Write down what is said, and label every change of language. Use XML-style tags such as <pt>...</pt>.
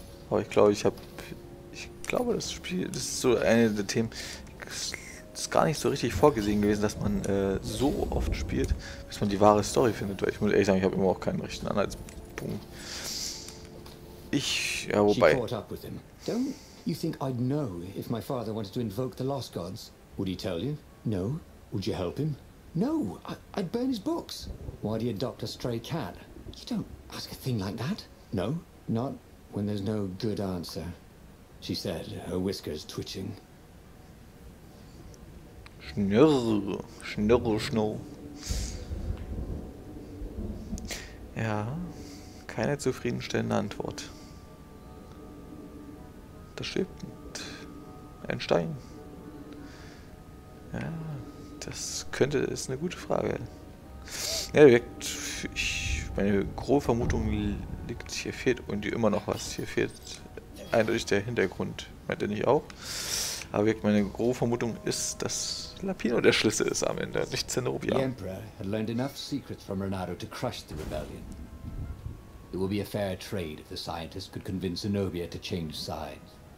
<de>Aber ich glaube, ich glaube, das Spiel. Das ist so eine der Themen. Das ist gar nicht so richtig vorgesehen gewesen, dass man so oft spielt, bis man die wahre Story findet. Weil ich muss ehrlich sagen, ich habe immer auch keinen richtigen Anhaltspunkt. Wobei.</de> <en>You think I'd know if my father wanted to invoke the lost gods? Would he tell you? No. Would you help him? No. I'd burn his books. Why do you adopt a stray cat? You don't ask a thing like that. No. Not when there's no good answer. She said, her whiskers twitching.</en> <de>Schnurr, schnurr, schnurr. Ja, keine zufriedenstellende Antwort. Das schwebt ein Stein. Ja, das ist eine gute Frage. Ja, meine grobe Vermutung liegt, hier fehlt irgendwie immer noch was. Hier fehlt eindeutig der Hintergrund. Meint ihr nicht auch? Aber meine grobe Vermutung ist, dass Lapino der Schlüssel ist am Ende, nicht Zenobia.</de> <en>The Emperor had learned enough secrets from Renato to crush the rebellion. It would be a fair trade if the scientist could convince Zenobia to change sides.</en>